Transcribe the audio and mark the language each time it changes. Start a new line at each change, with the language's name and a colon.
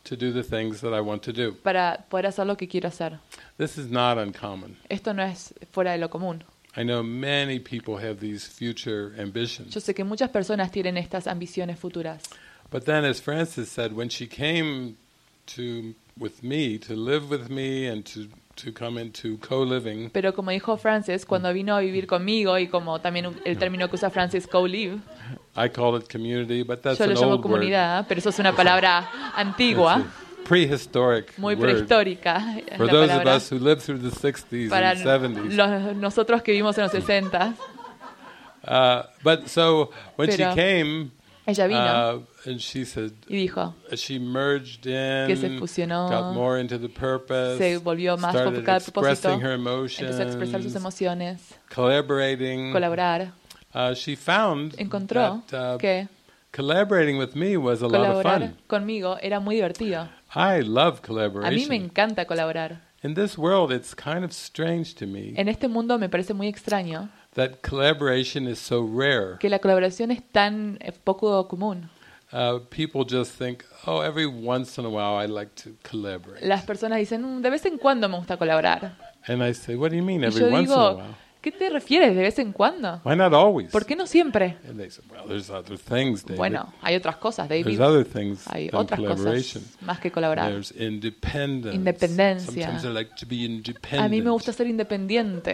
English: To do the things that I want to do.
Spanish: Para poder hacer lo que quiero hacer.
English: This is not uncommon.
Spanish: Esto no es fuera de lo común.
English: I know many people have these future ambitions.
Spanish: Yo sé que muchas personas tienen estas ambiciones futuras.
English: But then, as Frances said, when she came to with me to live with me and to come into co-living.
Spanish: Pero como dijo Frances, cuando vino a vivir conmigo y como también el término que usa Frances, co-live.
English: I call it community, but that's an old word.
Spanish: Yo lo llamo comunidad, pero eso es una palabra antigua.
English: Prehistoric,
Spanish: muy prehistórica.
English: For those of us who lived through the 60s and 70s.
Spanish: Para nosotros que vivimos en los 60s.
English: But so when she came,
Spanish: ella vino,
English: and she said,
Spanish: y dijo,
English: she merged in,
Spanish: que se fusionó,
English: got more into the purpose,
Spanish: se volvió más
English: started expressing
Spanish: propósito,
English: her emotions,
Spanish: empezó a expresar sus emociones,
English: collaborating,
Spanish: colaborar.
English: She found
Spanish: encontró
English: that,
Spanish: que
English: collaborating with me was a lot of fun.
Spanish: Conmigo era muy divertido.
English: I love collaboration.
Spanish: A mí me encanta colaborar.
English: In this world, it's kind of strange to me.
Spanish: En este mundo me parece muy extraño.
English: That collaboration is so rare.
Spanish: Que la colaboración es tan poco común.
English: People just think, oh, every once in a while, I like to collaborate.
Spanish: Las personas dicen, de vez en cuando me gusta colaborar.
English: And I say, what do you mean, every
Spanish: digo,
English: once in a while?
Spanish: ¿Qué te refieres de vez en cuando?
English: Why not always?
Spanish: ¿Por qué no siempre?
English: And they say, well, there's other things, David.
Spanish: Bueno, hay otras cosas, David.
English: There's other things
Spanish: hay
English: than
Spanish: otras
English: collaboration.
Spanish: Cosas más que colaborar.
English: There's independence.
Spanish: Independencia.
English: Sometimes I like to be independent.
Spanish: A mí me gusta ser independiente.